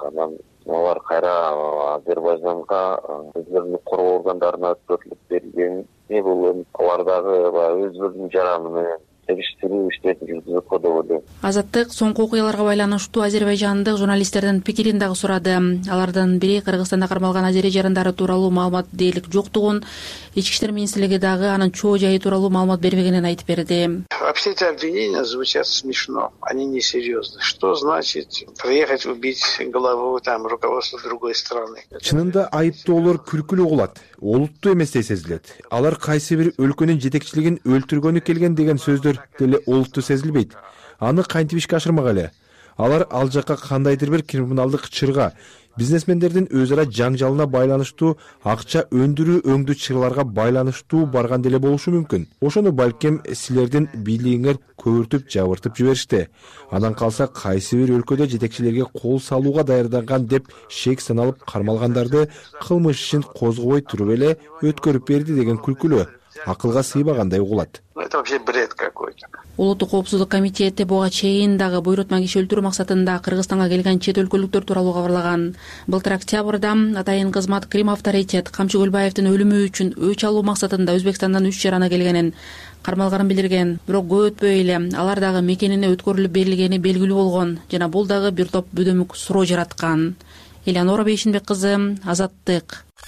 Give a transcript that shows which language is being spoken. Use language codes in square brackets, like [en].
[ky] Анан алар кайра Азербайжанга өздөрүнүн коргоо органдарына өткөрүлүп берилген бүгүн алар дагы баягы өздөрүнүн жараны менен териштирүү иштерин жүргүзүп коет деп ойлойм. Азаттык соңку окуяларга байланыштуу азербайжандык журналисттердин пикирин дагы сурады. Алардын бири Кыргызстанда кармалган азери жарандары тууралуу маалымат дээрлик жоктугун, ички иштер министрлиги дагы анын чоо жайы тууралуу маалымат бербегенин айтып берди. [ru] Вообще эти обвинения звучат смешно, они не серьезны. Что значит приехать убить главу там руководства другой страны? [ky] Чынында айыптоолор күлкүлүү угулат. Олуттуу эместей сезилет. Алар кайсы бир өлкөнүн жетекчилигин өлтүргөнү келген деген сөздөр деле олуттуу сезилбейт. Аны кантип ишке ашырмак эле? Алар ал жакка кандайдыр бир криминалдык чырга, бизнесмендердин өз ара жаңжалына байланыштуу акча өндүрүү өңдүү чырларга байланыштуу барган деле болушу мүмкүн. Ошону балким силердин бийлигиңер көөртүп жабыртып жиберишти. Анан калса кайсы бир өлкөдө жетекчилерге кол салууга даярданган деп шек саналып кармалгандарды кылмыш ишин козгобой туруп эле өткөрүп берди деген күлкүлүү. акылга сыйбагандай угулат. [ru] Это вообще бред какой-то. [ky] Улуттук коопсуздук комитети буга чейин дагы буйрутма киши өлтүрүү максатында Кыргызстанга келген чет өлкөлүктөр тууралуу кабарлаган. Былтыр октябрда атайын кызмат Крим авторитет Камчы Көлбаевдин өлүмү үчүн өч алуу максатында Өзбекстандан үч жараны келгенин кармалгарын билдирген. Бирок көп өтпөй эле алар дагы мекенине өткөрүлүп берилгени белгилүү болгон жана бул дагы бир топ бүдөмүк суроо жараткан. Элеонора Бейшенбек кызы, Азаттык.